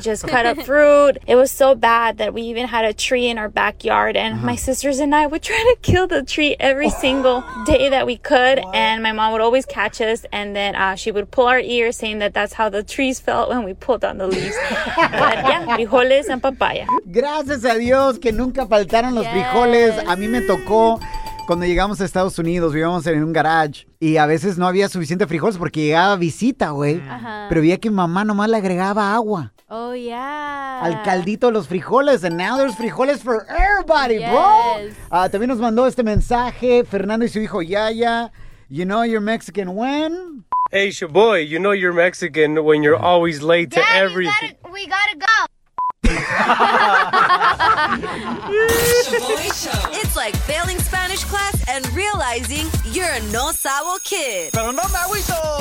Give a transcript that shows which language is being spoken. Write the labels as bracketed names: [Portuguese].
[English] Just cut up fruit. It was so bad that we even had a tree in our backyard. And my sisters and I would try to kill the tree every single day that we could. What? And my mom would always catch us. And then she would pull our ears saying that that's how the trees felt when we pulled on the leaves. But yeah, frijoles and papaya. [Spanish] Gracias a Dios que nunca faltaron los frijoles. A mí me tocó cuando llegamos a Estados Unidos, vivíamos en un garage. Y a veces no había suficiente frijoles porque llegaba visita, güey. Pero veía que mamá nomás le agregaba agua. [English] Oh, yeah. [Spanish] Al caldito de los frijoles. [English] And now there's frijoles for everybody, yes. Bro. [Spanish] También nos mandó este mensaje Fernando y su hijo Yaya. [English] You know you're Mexican when? Hey, Shaboy, you know you're Mexican when you're always late to everything. We gotta go. It's like failing Spanish class and realizing you're a no sabo kid. [Spanish] Pero no me agüito.